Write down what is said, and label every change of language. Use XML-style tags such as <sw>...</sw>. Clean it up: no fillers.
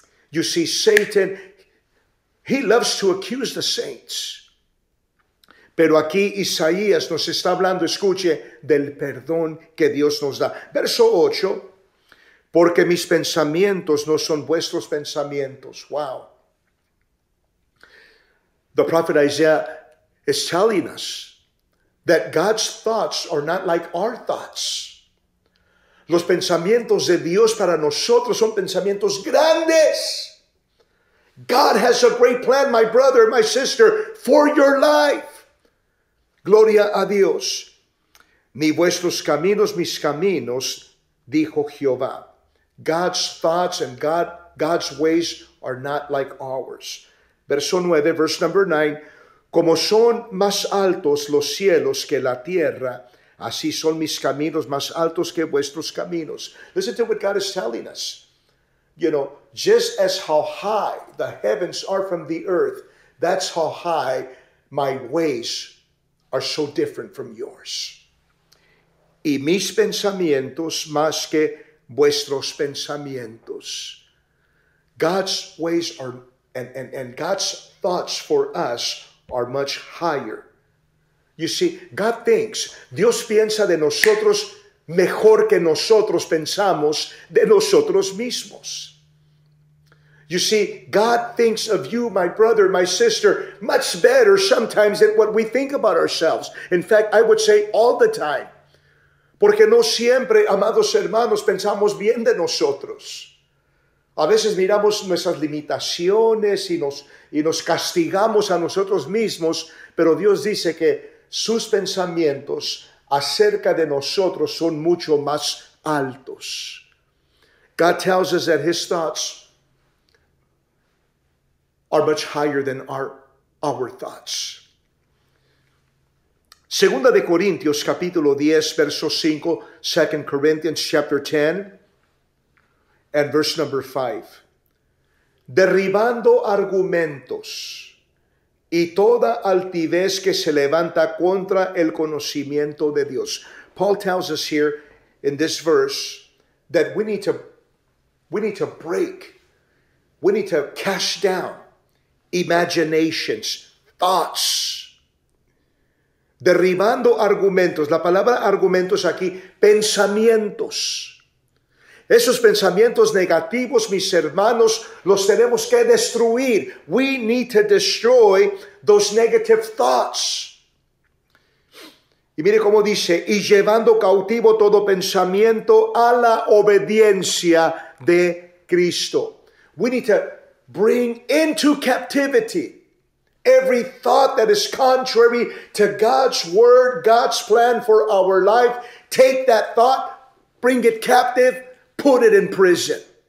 <en>You see, Satan, he loves to accuse the saints.</en> <es>Pero aquí Isaías nos está hablando, escuche, del perdón que Dios nos da. Verso 8, porque mis pensamientos no son vuestros pensamientos.</es> <en>Wow. The prophet Isaiah is telling us that God's thoughts are not like our thoughts.</en> <es>Los pensamientos de Dios para nosotros son pensamientos grandes.</es> <en>God has a great plan, my brother, my sister, for your life.</en> <es>Gloria a Dios, ni vuestros caminos, mis caminos, dijo Jehová.</es> <en>God's thoughts and God's ways are not like ours.</en> <es>Verso 9,</es> <en>verse number 9,</en> <es>como son más altos los cielos que la tierra, así son mis caminos más altos que vuestros caminos.</es> <en>Listen to what God is telling us. You know, just as how high the heavens are from the earth, that's how high my ways are so different from yours.</en> <es>Y mis pensamientos más que vuestros pensamientos.</es> <en>God's ways are and God's thoughts for us are much higher. You see, God thinks,</en> <es>Dios piensa de nosotros mejor que nosotros pensamos de nosotros mismos.</es> <en>You see, God thinks of you, my brother, my sister, much better sometimes than what we think about ourselves. In fact, I would say all the time.</en> <es>Porque no siempre, amados hermanos, pensamos bien de nosotros. A veces miramos nuestras limitaciones y nos castigamos a nosotros mismos, pero Dios dice que sus pensamientos acerca de nosotros son mucho más altos.</es> <en>God tells us that his thoughts are much higher than our thoughts.</en> <es>Segunda de Corintios, capítulo 10, verso 5,</es> <en>2 Corinthians, chapter 10, and verse number 5.</en> <es>Derribando argumentos y toda altivez que se levanta contra el conocimiento de Dios.</es> <en>Paul tells us here in this verse that we need to cast down imaginations, thoughts.</en> <es>Derribando argumentos. La palabra argumentos aquí, pensamientos. Esos pensamientos negativos, mis hermanos, los tenemos que destruir.</es> <en>We need to destroy those negative thoughts.</en> <es>Y mire cómo dice, y llevando cautivo todo pensamiento a la obediencia de Cristo.</es> <en>We need to bring into captivity every thought that is contrary to God's word, God's plan for our life. Take that thought, bring it captive, put it in prison.</en>